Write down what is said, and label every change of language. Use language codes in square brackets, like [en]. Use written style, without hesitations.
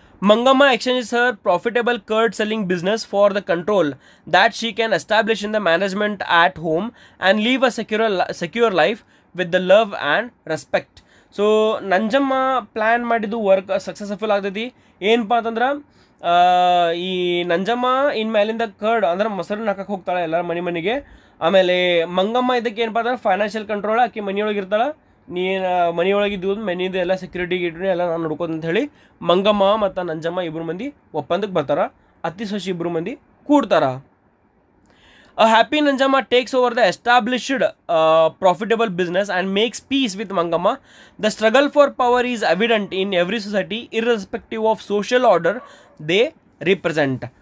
[en] Mangamma exchanges her profitable curd selling business for the control that she can establish in the management at home and live a secure life with the love and respect. [kn] So Nanjamma plan ಮಾಡಿದ್ದು work successful ಆಗ್ತೈತಿ. ಏನಪ್ಪ ಅಂತಂದ್ರೆ ಈ ನಂಜಮ್ಮ ಇನ್ ಮೇಲಿಂದ curd ಅಂದ್ರೆ ಮೊಸರನ್ನ ಹಾಕಕ್ಕೆ ಹೋಗ್ತಾಳೆ ಎಲ್ಲರ ಮನೆ ಮನೆಗೆ. ಆಮೇಲೆ ಮಂಗಮ್ಮ ಇದಕ್ಕೆ ಏನಪ್ಪ ಅಂದ್ರೆ ಫೈನಾನ್ಷಿಯಲ್ ಕಂಟ್ರೋಲ್, ಆಕೆ ಮನೆಯೊಳಗಿರ್ತಾಳೆ, ನೀ ಮನೆಯೊಳಗಿದ್ದು ಮನೆಯಿಂದ ಎಲ್ಲ ಸೆಕ್ಯೂರಿಟಿ ಗಿಟ್ರಿ ಎಲ್ಲ ನಾನು ನೋಡ್ಕೊತ ಅಂಥೇಳಿ ಮಂಗಮ್ಮ ಮತ್ತು ನಂಜಮ್ಮ ಇಬ್ಬರು ಮಂದಿ ಒಪ್ಪಂದಕ್ಕೆ ಬರ್ತಾರೆ. ಅತ್ತಿ ಸೋಸಿ ಇಬ್ಬರು ಮಂದಿ ಕೂಡ್ತಾರ. [en] A happy Nanjamma takes over the established profitable business and makes peace with Mangamma. The struggle for power is evident in every society, irrespective of social order they represent.